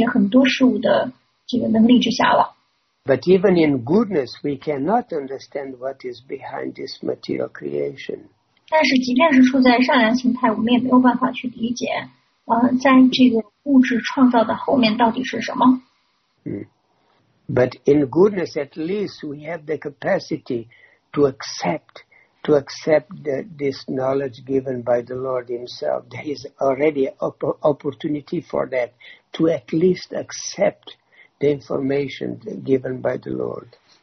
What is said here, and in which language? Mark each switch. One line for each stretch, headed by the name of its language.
Chinese: 那如果要是处在善良形态的话，那已经是处在一个很好的能够去理解很多事物的这个能力之下了。
English: But even in goodness, we cannot understand what is behind this material creation.
Chinese: 但是即便是处在善良形态，我们也没有办法去理解，在这个物质创造的后面到底是什么。
English: But in goodness, at least we have the capacity to accept this knowledge given by the Lord Himself. There is already an opportunity for that, to at least accept the information given by the Lord.